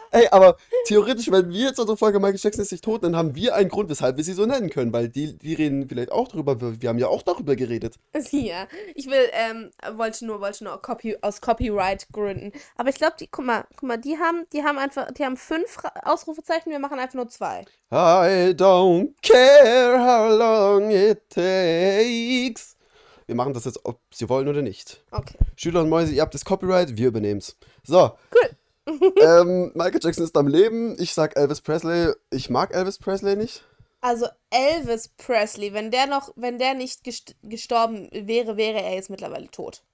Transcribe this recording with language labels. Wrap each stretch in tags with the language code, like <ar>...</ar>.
<de>Ey, aber theoretisch, wenn wir jetzt unsere Folge Michael Jackson ist nicht tot, dann haben wir einen Grund, weshalb wir sie so nennen können, weil die reden vielleicht auch darüber, wir haben ja auch darüber geredet. Ja, ich will, wollte nur aus Copyright-Gründen. Aber ich glaube, guck mal, die haben 5 Ausrufezeichen, wir machen einfach nur 2.</de> <en>I don't care how long it takes.</en> <de>Wir machen das jetzt, ob Sie wollen oder nicht. Okay. Schüler und Mäuse, ihr habt das Copyright, wir übernehmen's. So, Cool. Michael Jackson ist am Leben. Ich sag Elvis Presley. Ich mag Elvis Presley nicht. Also Elvis Presley, wenn der nicht gestorben wäre, wäre er jetzt mittlerweile tot.</de>